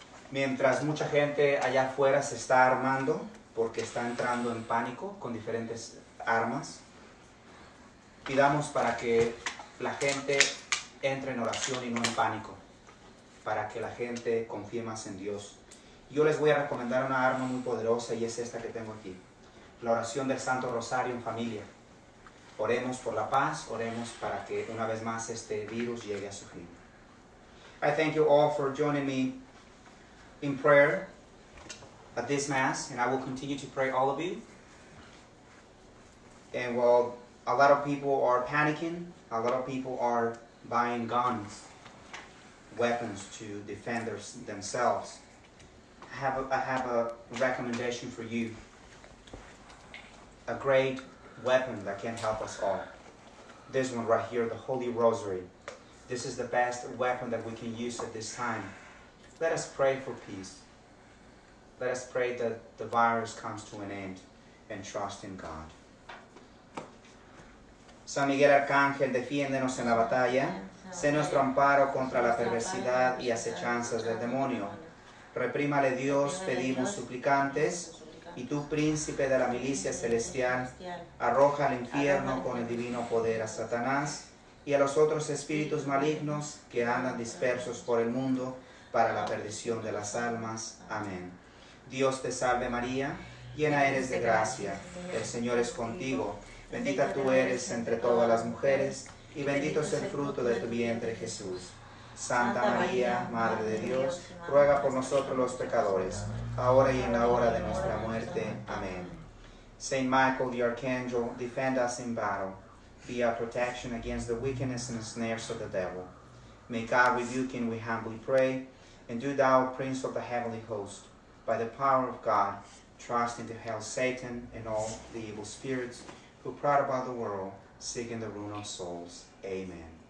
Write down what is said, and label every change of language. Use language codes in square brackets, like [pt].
[es] Mientras mucha gente allá afuera se está armando porque está entrando en pánico con diferentes armas, pidamos para que la gente entre en oración y no en pánico, para que la gente confíe más en Dios. Yo les voy a recomendar una arma muy poderosa y es esta que tengo aquí, la oración del Santo Rosario en familia. Oremos por la paz, oremos para que una vez más este virus llegue a su fin. [en] I thank you all for joining me in prayer at this Mass, and I will continue to pray all of you. And while a lot of people are panicking, a lot of people are buying guns, weapons to defend themselves, I have a recommendation for you. A great weapon that can help us all. This one right here, the Holy Rosary. This is the best weapon that we can use at this time. Let us pray for peace. Let us pray that the virus comes to an end and trust in God. [es] San Miguel Arcángel, defiéndenos en la batalla. Sé nuestro amparo contra la perversidad y acechanzas del demonio. Reprímale Dios, pedimos suplicantes. Y tú, príncipe de la milicia celestial, arroja al infierno con el divino poder a Satanás y a los otros espíritus malignos que andan dispersos por el mundo para la perdición de las almas. Amén. Dios te salve María, llena eres de gracia, el Señor es contigo. Bendita tú eres entre todas las mujeres y bendito es el fruto de tu vientre Jesús. Santa María, Madre de Dios, ruega por nosotros los pecadores, ahora y en la hora de nuestra muerte. [en] Amén. Saint Michael the Archangel, defend us in battle. Be our protection against the wickedness and the snares of the devil. May God rebuke him, we humbly pray. And do thou, Prince of the Heavenly Host, by the power of God, trust into hell Satan and all the evil spirits who prowl about the world, seeking the ruin of souls. Amen.